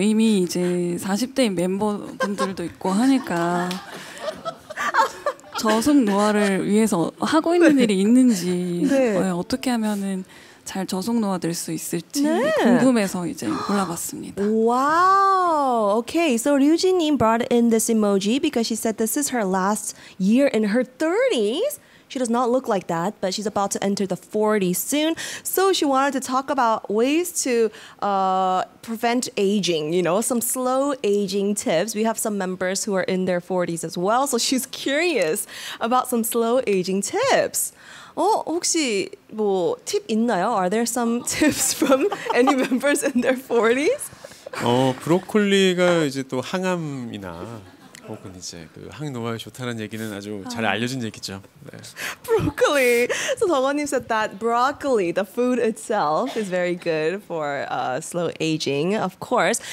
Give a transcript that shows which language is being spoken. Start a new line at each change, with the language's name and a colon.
Korean: 이미 이제 40대인 멤버분들도 있고 하니까 저속 노화를 위해서 하고 있는 네. 일이 있는지 네. 어떻게 하면은 잘 저속 노화될 수 있을지 네. 궁금해서 이제 골라봤습니다.
English: 와우. Okay. So Ryu Jin Nim brought in this emoji because she said this is her last year in her 30s. She does not look like that, but she's about to enter the 40s soon. So she wanted to talk about ways to prevent aging, you know, some slow aging tips. We have some members who are in their 40s as well, so she's curious about some slow aging tips.
Korean: 혹시 뭐 팁 있나요?
English: Are there some tips from any members in their 40s?
Korean: 브로콜리가 이제 또 항암이나 혹은 이제 그 항노화에 좋다는 얘기는 아주 잘 알려진 얘기죠. 네.
English: Broccoli. So 덕원님 said that broccoli, the food itself, is very good for slow aging, of course.